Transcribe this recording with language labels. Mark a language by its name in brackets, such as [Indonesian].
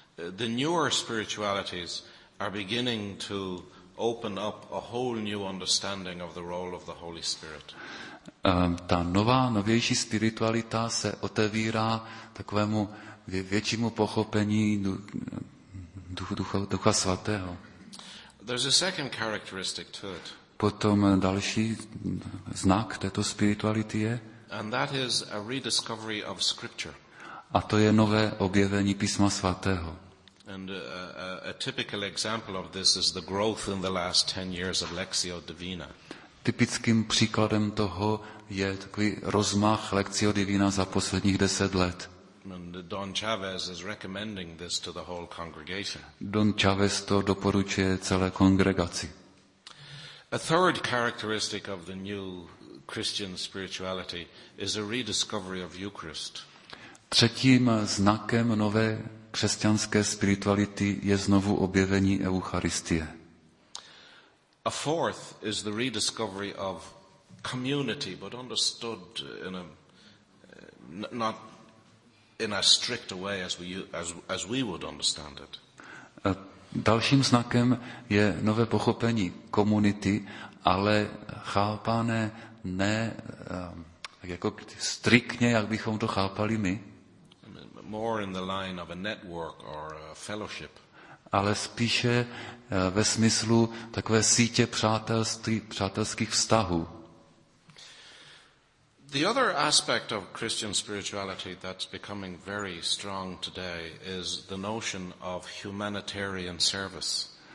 [English] The newer spiritualities are beginning to open up a whole new understanding of the role of the Holy Spirit. [Czech] Ta novější spiritualita se otevírá takovému většímu pochopení Ducha Svatého. [English] There's a second characteristic to it. [Czech] Potom další znak této spirituality je. [English] And that is a rediscovery of scripture. [Czech] A to je nové objevení Písma svatého. [English] And a typical example of this is the growth in the last 10 years of Lectio Divina. [Czech] Typickým příkladem toho je takový rozmach Lectio Divina za posledních 10 let. [English] And Don Chavez is recommending this to the whole congregation. [Czech] Don Chavez to doporučuje celé kongregaci. [English] A third characteristic of the new Christian spirituality is a rediscovery of Eucharist. [Czech] Třetím znakem nové křesťanské spirituality je znovu objevení Eucharistie. [English] A fourth is the rediscovery of community, but understood in a not in a strict way as we would understand it. [Czech] Dalším znakem je nové pochopení komunity, ale chápané ne jako striktně, jak bychom to chápali my. [English] More in the line of a network or a fellowship. [Czech] Ale spíše ve smyslu takové sítě přátelských vztahů. [English] The other aspect of Christian spirituality that's becoming very strong today is the notion of humanitarian service.